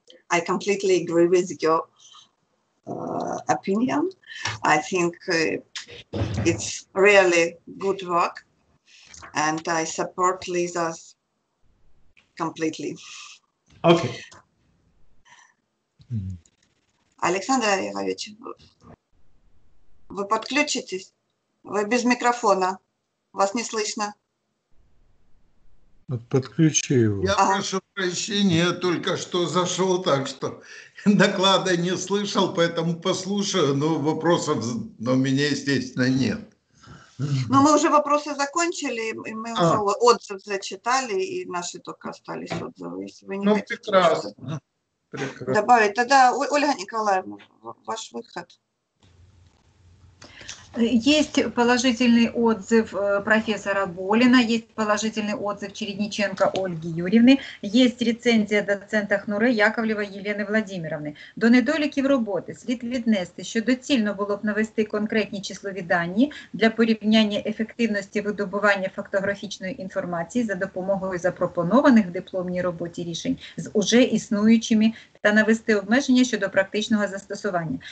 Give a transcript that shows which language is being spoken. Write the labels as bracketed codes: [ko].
[en] I completely agree with your opinion. I think it's really good work, and I support Lisa's completely. Okay. [ru] Александр Олегович, вы подключитесь? Вы без микрофона. Вас не слышно. Вот подключи его. Я прошу прощения, я только что зашел, так что доклада не слышал, поэтому послушаю, но вопросов у меня, естественно, нет. Ну, мы уже вопросы закончили, и мы уже отзыв зачитали, и наши только остались отзывы. Если вы не ну, прекрасно. Добавить. Тогда Ольга Николаевна, ваш выход. Есть положительный отзыв профессора Болина, есть положительный отзыв Чередниченко Ольги Юрьевны, есть рецензия доцента Хнуре Яковлева Елены Владимировны. [uk] До недоліків роботи слід віднести, що доцільно було б навести конкретні числовідані для порівняння ефективності видобування фактографічної інформації за допомогою запропонованих в дипломній роботі рішень з уже існуючими та навести обмеження щодо практичного застосування.